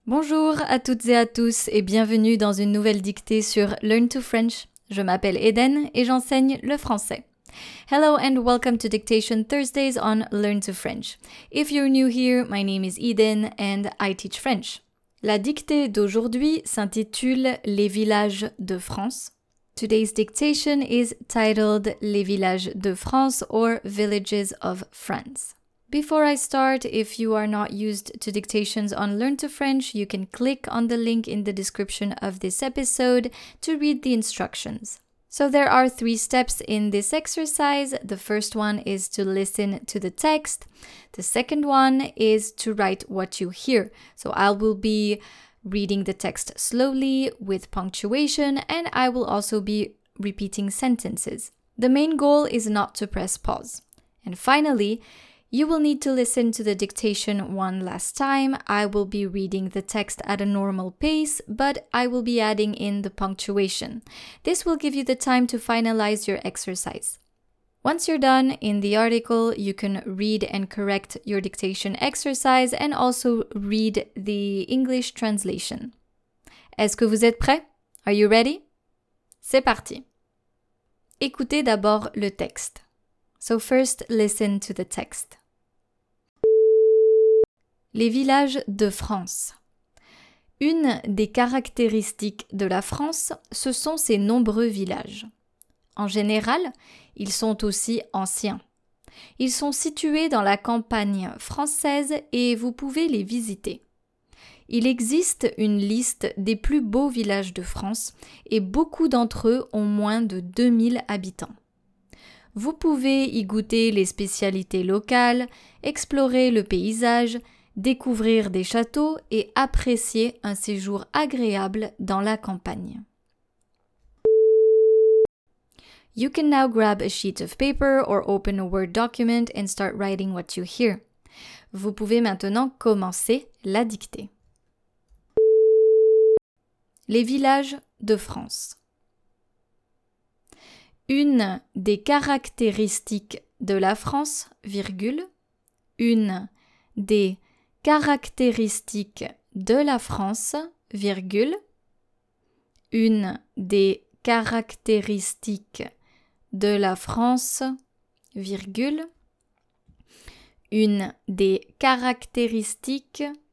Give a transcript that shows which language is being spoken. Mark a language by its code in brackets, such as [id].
[fr] Bonjour à toutes et à tous et bienvenue dans une nouvelle dictée sur Learn to French. Je m'appelle Eden et j'enseigne le français. [en] Hello and welcome to Dictation Thursdays on Learn to French. If you're new here, my name is Eden and I teach French. [fr] La dictée d'aujourd'hui s'intitule Les villages de France. [en] Today's dictation is titled Les villages de France or Villages of France. Before I start, if you are not used to dictations on Learn to French, you can click on the link in the description of this episode to read the instructions. So there are three steps in this exercise. The first one is to listen to the text. The second one is to write what you hear. So I will be reading the text slowly with punctuation, and I will also be repeating sentences. The main goal is not to press pause. And finally, you will need to listen to the dictation one last time. I will be reading the text at a normal pace, but I will be adding in the punctuation. This will give you the time to finalize your exercise. Once you're done, in the article, you can read and correct your dictation exercise and also read the English translation. [fr] Est-ce que vous êtes prêts? [en] Are you ready? [fr] C'est parti! Écoutez d'abord le texte. [en] So first, listen to the text. [fr] Les villages de France. Une des caractéristiques de la France, ce sont ses nombreux villages. En général, ils sont aussi anciens. Ils sont situés dans la campagne française et vous pouvez les visiter. Il existe une liste des plus beaux villages de France et beaucoup d'entre eux ont moins de 2000 habitants. Vous pouvez y goûter les spécialités locales, explorer le paysage, découvrir des châteaux et apprécier un séjour agréable dans la campagne. [en] You can now grab a sheet of paper or open a Word document and start writing what you hear. [fr] Vous pouvez maintenant commencer la dictée. Les villages de France. Une des caractéristiques de la France, virgule, une des caractéristiques de la France, virgule, une des caractéristiques de la France, virgule, une des caractéristiques